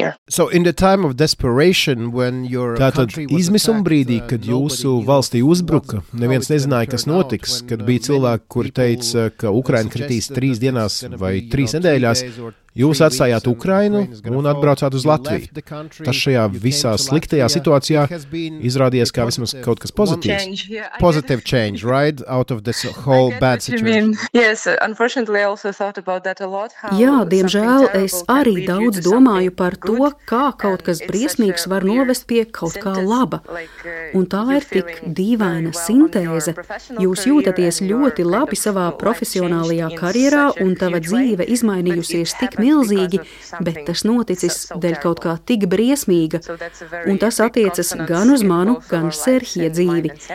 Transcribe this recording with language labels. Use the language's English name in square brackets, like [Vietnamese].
[English] So in the time of desperation when your [Latvian] Tātad izmisuma brīdī, kad jūsu valstī uzbruka, neviens nezināja, kas notiks, kad bija cilvēki, kuri teica, ka Ukraina kritīs trīs dienās vai trīs nedēļās, jūs atstājāt Ukrainu un atbraucāt uz Latviju. Tas šajā visā sliktajā situācijā izrādījies kā vismaz kaut kas pozitīvs. [English] Positive change, right? Out of this whole bad situation. Yes, unfortunately I also thought about that a lot. [Latvian] Jā, diemžēl es arī daudz domāju par to, kā kaut kas briesmīgs var novest pie kaut kā laba. Un tā ir tik dīvaina sintēze. Jūs jūtaties ļoti labi savā profesionālajā karjerā un tava dzīve izmainījusies tik milzīgi, bet tas noticis dēļ kaut kā tik briesmīga, un tas attiecas gan uz manu, gan Serhija dzīvi.